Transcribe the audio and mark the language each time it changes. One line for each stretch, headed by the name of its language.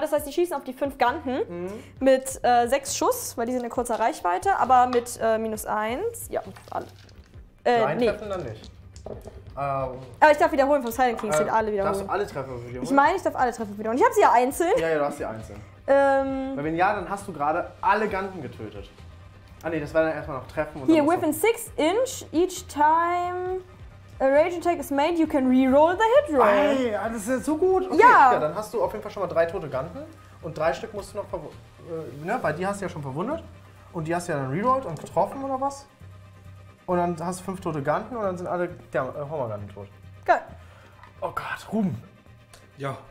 German: Das heißt, die schießen auf die 5 Ganten mit 6 Schuss, weil die sind in kurzer Reichweite, aber mit minus 1. Ja, alle. Nein, treffen dann nicht. Aber ich darf wiederholen vom Silent King, sind alle wiederholen. Darfst du alle Treffer wiederholen? Ich meine, ich darf alle Treffer wiederholen. Ich habe sie ja einzeln. Ja, du hast sie einzeln. Weil wenn ja, dann hast du gerade alle Ganten getötet. Ah ne, das war dann erstmal noch Treffen. Hier,
English: within 6 inch, each time a rage attack is made, you can reroll the hit roll.
German: Ey, das ist ja so gut. Okay. Ja. Ja, dann hast du auf jeden Fall schon mal 3 tote Ganten. Und 3 Stück musst du noch verwundet, ne? Weil die hast du ja schon verwundet. Und die hast du ja dann rerollt und getroffen oder was. Und dann hast du 5 tote Ganten und dann sind alle Hormaganten tot. Geil. Oh Gott, Ruben. Ja.